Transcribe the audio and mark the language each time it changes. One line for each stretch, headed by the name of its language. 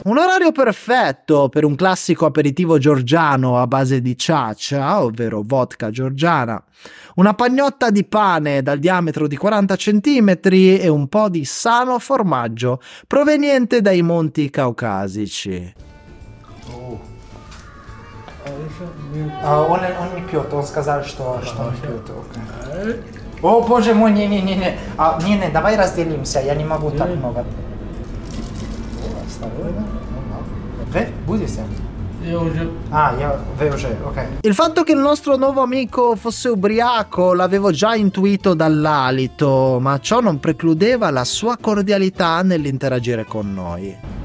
Italian: Un orario perfetto per un classico aperitivo georgiano a base di ciaccia, ovvero vodka georgiana. Una pagnotta di pane dal diametro di 40 cm e un po' di sano formaggio proveniente dai monti caucasici. Oh.
Russian: Он не пьет, он сказал, что он пьет. О, боже мой, не-не-не-не. А, не-не, давай разделимся, я не могу так много. Осторожно. Вы будете?
Italian: Il fatto che il nostro nuovo amico fosse ubriaco l'avevo già intuito dall'alito, ma ciò non precludeva la sua cordialità nell'interagire con noi.